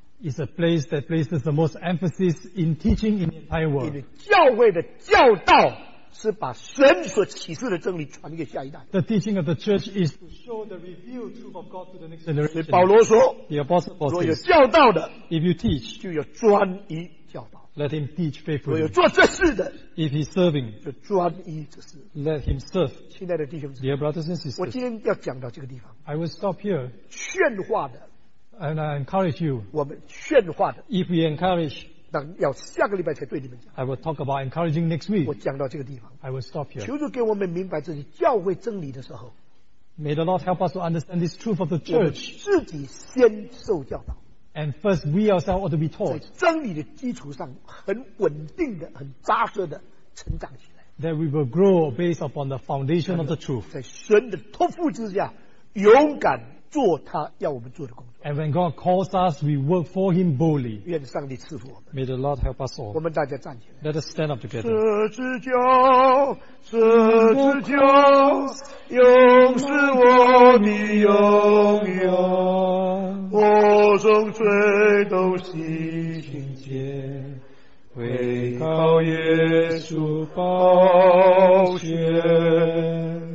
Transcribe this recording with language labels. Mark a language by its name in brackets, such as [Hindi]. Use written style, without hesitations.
[English] Is a place that places the most emphasis in teaching in the entire world. [Chinese] 因为教会的教导是把神所启示的真理传给下一代。 [English] The teaching of the church is to show the revealed truth of God to the next generation. [Chinese] 所以保罗说， [English] the apostle Paul says, [Chinese] 若有教导的， [English] if you teach, [Chinese] 就要专一教导。 [English] Let him teach faithfully. [Chinese] 若有做这事的， [English] if he's serving, [Chinese] 就专一这事。 [English] Let him serve. [Chinese] 亲爱的弟兄姊妹， [English] dear brothers and sisters, [Chinese] 我今天要讲到这个地方。 [English] I will stop here. [Chinese] 劝化的。 [English] And I encourage you. [Chinese] 我们劝化的。 [English] If we encourage, [Chinese] 那要下个礼拜才对你们讲。 [English] I will talk about encouraging next week. [Chinese] 我讲到这个地方。 [English] I will stop here. [Chinese] 求主给我们明白自己教会真理的时候。 [English] May the Lord help us to understand this truth of the church. [Chinese] 我们自己先受教导。 [English] And first we ourselves ought to be taught. [Chinese] 在真理的基础上，很稳定的、很扎实的成长起来。 [English] That we will grow based upon the foundation of the truth. [Chinese] 在神的托付之下，勇敢做他要我们做的工作。 [English] And when God calls us, we work for Him boldly. [Chinese] 愿上帝赐福我们。 [English] May the Lord help us all. [Chinese] 我们大家站起来。 [English] Let us stand up together. [Chinese] 十字架，十字架，永是我的荣耀。我从罪都洗净洁，为靠耶稣宝血。